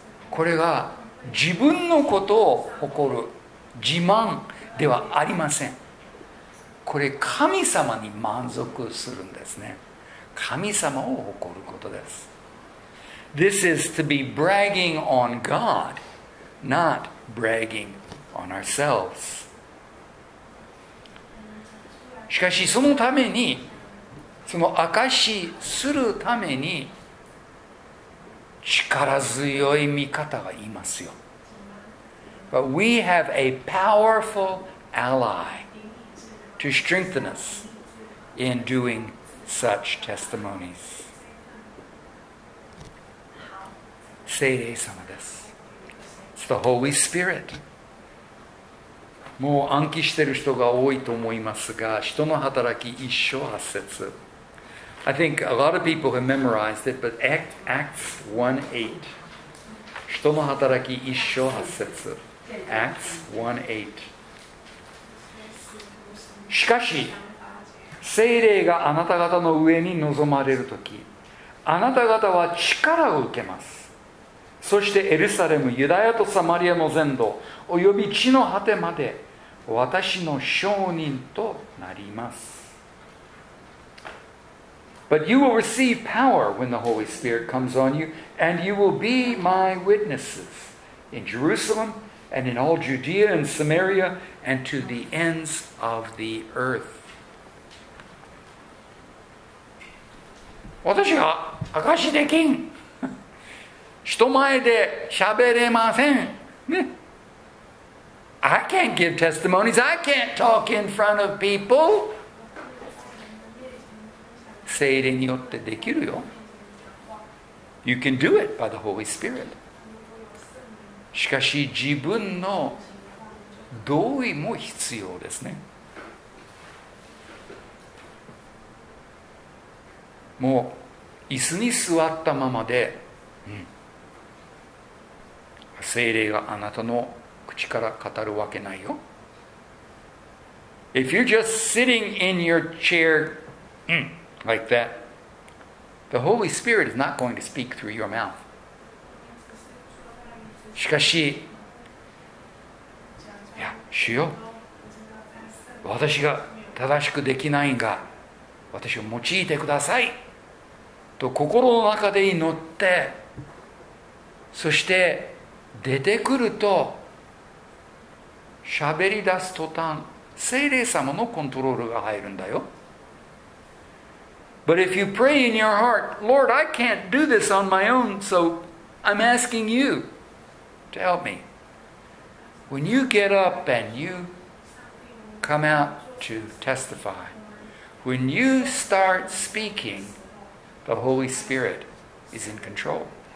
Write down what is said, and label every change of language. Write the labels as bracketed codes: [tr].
[ja] これが自分のことを誇る自慢ではありません。これ神様に満足するんですね。神様を誇ることです。 [en] This is to be bragging on God, not bragging on ourselves. [ja] しかしそのためにその証しするために力強い味方がいますよ。 [en] But we have a powerful ally to strengthen us in doing such testimonies. [ja] 聖霊様です。 [en] It's the Holy Spirit. [ja] もう暗記してる人が多いと思いますが、人の働き一章八節。 [en] I think a lot of people have memorized it, but Acts 1:8. [ja] 人の働き一章八節。 [en] Acts 1:8. [ja] しかし、聖霊があなた方の上に臨まれるとき、あなた方は力を受けます。そしてエルサレム、ユダヤとサマリアの全土、および地の果てまで、私の証人となります。 [en] But you will receive power when the Holy Spirit comes on you, and you will be my witnesses in Jerusalem and in all Judea and Samaria and to the ends of the earth. [ja] 私は証しできん。人前でしゃべれません。ね。 [en] I can't give testimonies. I can't talk in front of people. [ja] 聖霊によってできるよ。 [en] You can do it by the Holy Spirit. [ja] しかし自分の同意も必要ですね。もう椅子に座ったままで、聖霊があなたの口から語るわけないよ。 [en] If you're just sitting in your chair, like that, the Holy Spirit is not going to speak through your mouth. [ja] しかし、いや、主よ、私が正しくできないが、私を用いてくださいと心の中で祈って、そして出てくると、喋り出す途端、聖霊様のコントロールが入るんだよ。 [en] But if you pray in your heart, Lord, I can't do this on my own, so I'm asking you to help me. When you get up and you come out to testify, when you start speaking, the Holy Spirit is in control.